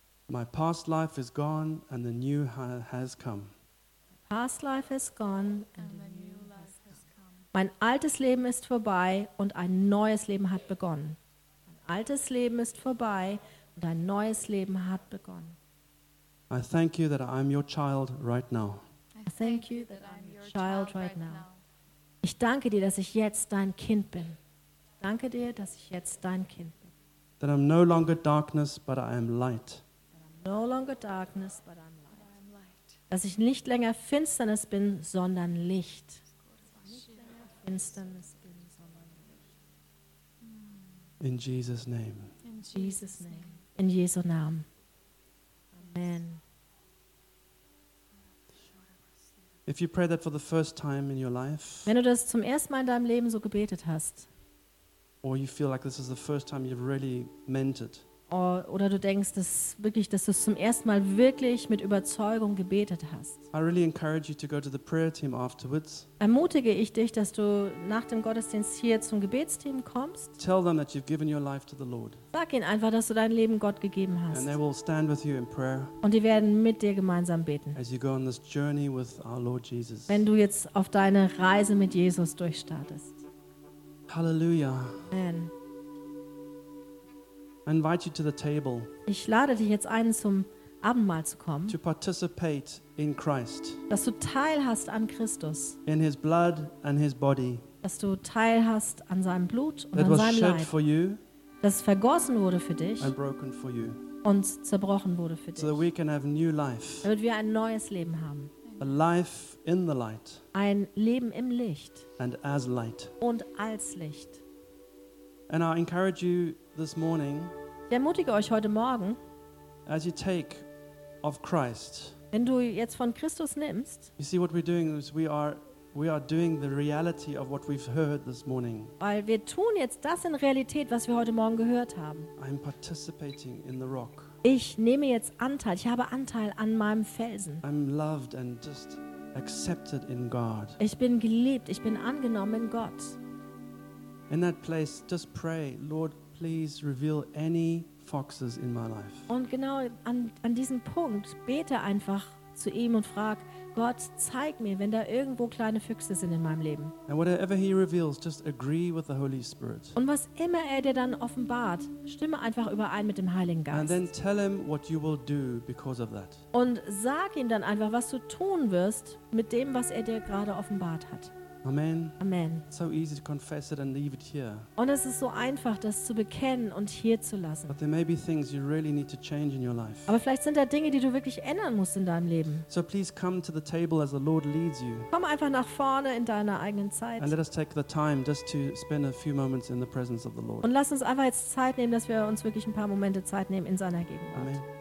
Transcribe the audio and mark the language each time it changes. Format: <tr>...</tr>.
<en>My past life is gone and the new has come. Past life is gone and the new life has come.</en> <de>Mein altes Leben ist vorbei und ein neues Leben hat begonnen. Mein altes Leben ist vorbei und ein neues Leben hat begonnen.</de> <en>I thank you that I am your child right now. I thank you that I'm your child right now.</en> <de>Ich danke dir, dass ich jetzt dein Kind bin. Danke dir, dass ich jetzt dein Kind bin.</de> <en>That I'm no longer darkness, but I am light. No longer darkness, but I'm light.</en> <de>Dass ich nicht länger Finsternis bin, sondern Licht.</de> <en>In Jesus' name.</en> <de>In Jesu Namen. Amen.</de> <en>If you pray that for the first time in your life,</en> <de>wenn du das zum ersten Mal in deinem Leben so gebetet hast,</de> <en>or you feel like this is the first time you've really meant it,</en> <de>oder du denkst, dass wirklich, dass du es zum ersten Mal wirklich mit Überzeugung gebetet hast,</de> <en>I really encourage you to go to the prayer team afterwards.</en> <de>Ermutige ich dich, dass du nach dem Gottesdienst hier zum Gebetsteam kommst.</de> <en>Tell them that you've given your life to the Lord.</en> <de>Sag ihnen einfach, dass du dein Leben Gott gegeben hast.</de> <en>And they will stand with you in prayer.</en> <de>Und die werden mit dir gemeinsam beten.</de> <en>As you go on this journey with our Lord Jesus.</en> <de>Wenn du jetzt auf deine Reise mit Jesus durchstartest. Halleluja. Amen.</de> <en>I invite you to the table.</en> <de>Ich lade dich jetzt ein, zum Abendmahl zu kommen.</de> <en>To participate in Christ.</en> <de>Dass du teil hast an Christus.</de> <en>In his blood and his body.</en> <de>Dass du teil hast an seinem Blut und an seinem Leib.</de> <en>For you,</en> <de>das vergossen wurde für dich.</de> <en>And broken for you.</en> <de>Und zerbrochen wurde für dich.</de> <en>So that we can have new life.</en> <de>Damit wir ein neues Leben haben.</de> <en>A life in the light.</en> <de>Ein Leben im Licht.</de> <en>And as light.</en> <de>Und als Licht.</de> <en>And I encourage you this morning,</en> <de>ich ermutige euch heute Morgen,</de> <en>as you take of Christ,</en> <de>wenn du jetzt von Christus nimmst,</de> <en>you see what we're doing is we are doing the reality of what we've heard this morning.</en> <de>Weil wir tun jetzt das in Realität, was wir heute Morgen gehört haben.</de> <en>I'm participating in the rock.</en> <de>Ich nehme jetzt Anteil, ich habe Anteil an meinem Felsen.</de> <en>I'm loved and just accepted in God.</en> <de>Ich bin geliebt, ich bin angenommen in Gott.</de> <en>In that place, just pray, Lord, please reveal any foxes in my life.</en> <de>Und genau an diesem Punkt bete einfach zu ihm und frag, Gott, zeig mir, wenn da irgendwo kleine Füchse sind in meinem Leben.</de> <en>And whatever he reveals, just agree with the Holy Spirit.</en> <de>Und was immer er dir dann offenbart, stimme einfach überein mit dem Heiligen Geist.</de> <en>And then tell him what you will do because of that.</en> <de>Und sag ihm dann einfach, was du tun wirst mit dem, was er dir gerade offenbart hat. Amen. Amen.</de> <en>So easy to confess it and leave it here.</en> <de>Und es ist so einfach, das zu bekennen und hier zu lassen.</de> <en>But there may be things you really need to change in your life.</en> <de>Aber vielleicht sind da Dinge, die du wirklich ändern musst in deinem Leben.</de> <en>So please come to the table as the Lord leads you.</en> <de>Komm einfach nach vorne in deiner eigenen Zeit.</de> <en>And let us take the time just to spend a few moments in the presence of the Lord.</en> <de>Und lass uns einfach jetzt Zeit nehmen, dass wir uns wirklich ein paar Momente Zeit nehmen in seiner Gegenwart.</de>